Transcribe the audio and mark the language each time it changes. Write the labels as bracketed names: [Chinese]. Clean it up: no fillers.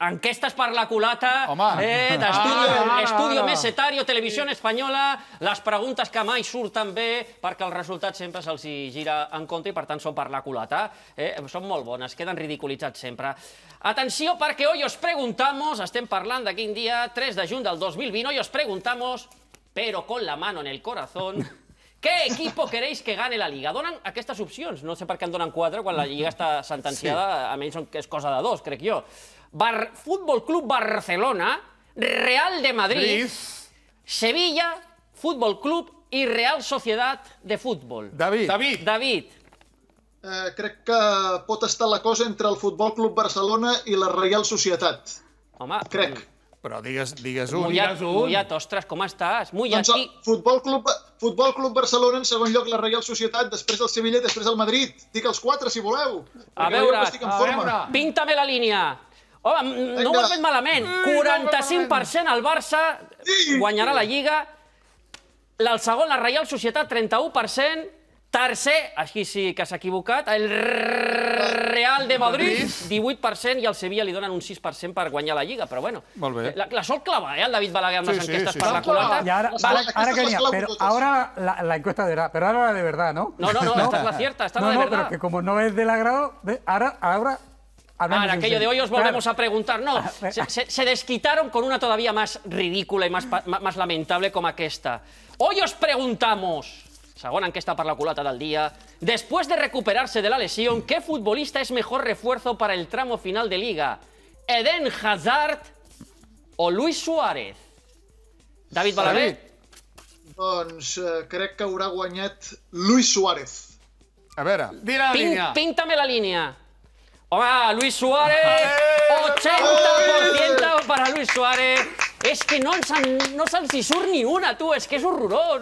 [Catalan] Enquestes per la culata... Home! D'Estudio Mesetario, Televisió Espanyola, les preguntes que mai surten bé, perquè el resultat sempre se'ls gira en contra i, per tant, són per la culata. Són molt bones, queden ridiculitzats sempre. Atenció, perquè [Spanish] hoy os preguntamos... [Catalan] Estem parlant de quin dia, 3 de juny del 2020, [Spanish] hoy os preguntamos, pero con la mano en el corazón... ¿Qué equipo queréis que gane la Liga? [Catalan] Donen aquestes opcions. No sé per què en donen 4 quan la Liga està sentenciada. Sí. A menys que és cosa de 2, crec jo. Futbol Club Barcelona, Real de Madrid, Sevilla, Futbol Club i Real Sociedad de Futbol. David. Crec que pot estar la cosa entre el Futbol Club Barcelona i la Real Sociedad. Home, crec. Però digues-ho. Mullat, ostres, com estàs? Mullat, doncs, Futbol Club Barcelona, en segon lloc, la Real Societat, després el Sevilla, després el Madrid. Dic els 4, si voleu. A veure, pinta-me la línia. Home, vinga. No ho has fet malament. 45% el Barça guanyarà la Lliga. El segon, la Real Societat, 31%. Tercer, així sí que s'ha equivocat, el Real de Madrid, 18%, i al Sevilla li donen un 6% per guanyar la Lliga, però bueno. Molt bé. La sol clava, el David Balaguer, amb les enquestes per la culata. I ara que n'hi ha, però ara [Spanish] la encuesta de... [Catalan] Però ara la [Spanish] de verdad, [Catalan] no? [Spanish] No, esta es la cierta, esta es la de verdad. No, [Catalan] però que [Spanish] como no es del agrado, ahora... [Catalan] Ara, aquello de [Spanish] hoy os volvemos a preguntar. No, se desquitaron con una todavía más ridícula y más lamentable como [Catalan] aquesta. [Spanish] Hoy os preguntamos... [Catalan] Segona enquesta per la culata del dia. [Spanish] Después de recuperarse de la lesión, ¿qué futbolista es mejor refuerzo para el tramo final de Liga? ¿Eden Hazard o Luis Suárez? [Catalan] David Balaguer. Sí. Doncs crec que haurà guanyat Luis Suárez. A veure. Dira la línia. Píntame la línia. Home, Luis Suárez, 80% para Luis Suárez. És que no se'ls hi surt ni una, tu, és que és horrorós.